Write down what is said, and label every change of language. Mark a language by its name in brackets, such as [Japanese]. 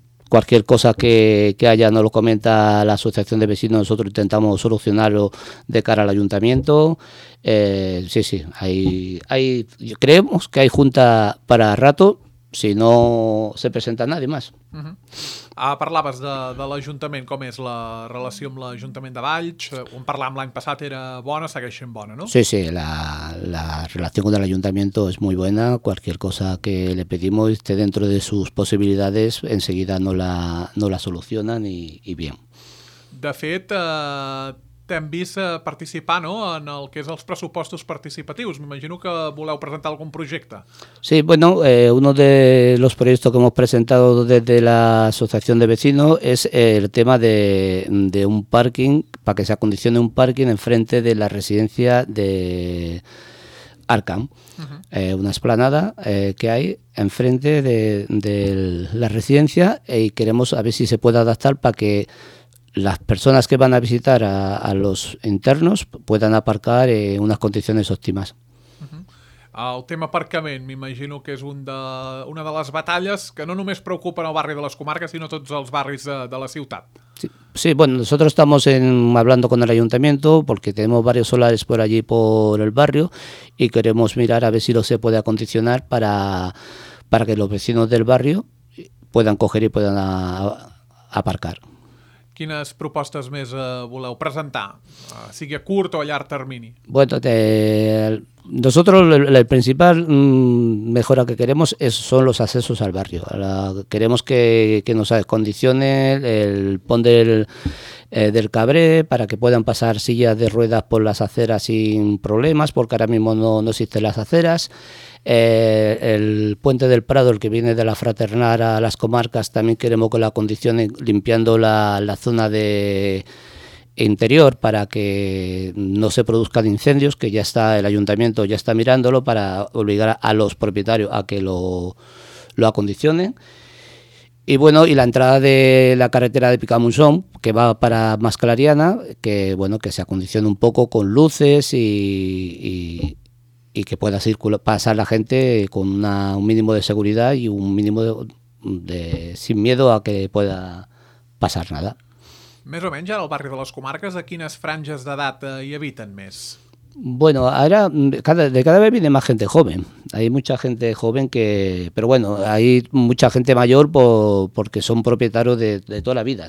[Spanish] Cualquier cosa que haya nos lo comenta la asociación de vecinos, nosotros intentamos solucionarlo de cara al ayuntamiento. Sí, hay creemos que hay junta para rato, si no se presenta nadie más. Uh-huh. [Catalan] Ah, parlaves de l'Ajuntament, com és la relació amb l'Ajuntament de Valls? Un parlàvem l'any passat era bona, segueix sent bona, no? Sí, la relació amb l'Ajuntament és molt bona, qualsevol cosa que li pedim [Spanish] esté dentro de sus possibilitats, [Catalan] en seguida no la solucionen i bé. De fet, t'hem vist participar, no?, en el que és els pressupostos participatius. M'imagino que voleu presentar algun projecte. [Spanish] Sí, bueno, uno de los proyectos que hemos presentado desde la asociación de vecinos es el tema de un parking, para que se acondicione un parking enfrente de la residencia de Arcan. Uh-huh. Una explanada que hay enfrente de la residencia, y queremos a ver si se puede adaptar para que las personas que van a visitar a los internos puedan aparcar en unas condiciones óptimas. Uh-huh. [Catalan] El tema aparcament, m'imagino que és una de les batalles que no només preocupen el barri de les comarques, sinó tots els barris de la ciutat. [Spanish] Sí, bueno, nosotros estamos hablando con el ayuntamiento porque tenemos varios solares por allí por el barrio y queremos mirar a ver si lo se puede acondicionar para que los vecinos del barrio puedan coger y puedan aparcar. [Catalan] Quines propostes més voleu presentar, sigui a curt o a llarg termini? [Spanish] Bueno, nosotros el principal mejora que queremos son los accesos al barrio. Queremos que nos acondicione el pont del Cabré para que puedan pasar sillas de ruedas por las aceras sin problemas, porque ahora mismo no existen las aceras. El puente del Prado, el que viene de la Fraternal a las comarcas, también queremos que lo acondicione limpiando la zona de interior para que no se produzcan incendios, que ya está el ayuntamiento, ya está mirándolo para obligar a los propietarios a que lo acondicionen. Y bueno, y la entrada de la carretera de Picamunzón, que va para Masclariana, que bueno, que se acondicione un poco con luces y que pueda pasar la gente con un mínimo de seguridad y un mínimo de sin miedo a que pueda pasar nada. [Catalan] Més o menys, ara al barri de les comarques, a quines franges d'edat hi habiten més? [Spanish] Bueno, ahora cada vez viene más gente joven. Hay mucha gente joven pero bueno, hay mucha gente mayor porque son propietarios de toda la vida.